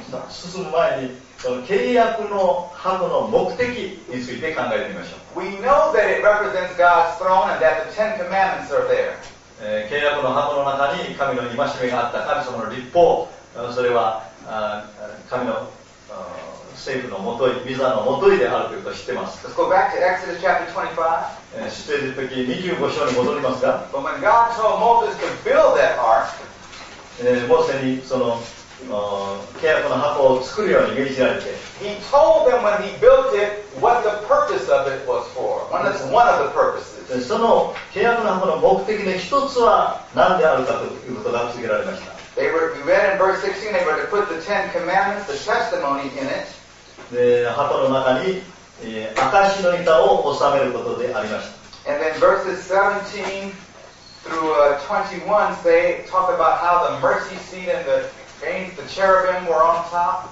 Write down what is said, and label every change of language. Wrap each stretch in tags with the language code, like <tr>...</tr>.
<ja>進む前に、その契約の箱の目的について考えてみましょう。</ja> <en>We know that it represents God's throne and that the Ten Commandments are there.</en> <ja>契約の箱の中に神の戒めがあった、神様の律法、それは神の政府のもとい、ビザのもといであるということを知っています。</ja> <en>Let's go back to Exodus chapter 25.</en> <ja>出エジプト記25章に戻りますが、</ja> <en>But when God told Moses to build that ark,</en> <ja>モーセにその契約の箱を作るように命じられて、</ja> <en>He told them when he built it what the purpose of it was for. One of the purposes.</en> <ja>その契約の箱の目的の一つは何であるかということが告げられました。</ja> <en>They were, we read in verse 16, they were to put the Ten Commandments, the testimony in it.</en> <ja>で、箱の中に、証しの板を収めることでありました。</ja> <en>And then verses 17 through 21 say, talk about how the mercy seat and the cherubim were on top.</en>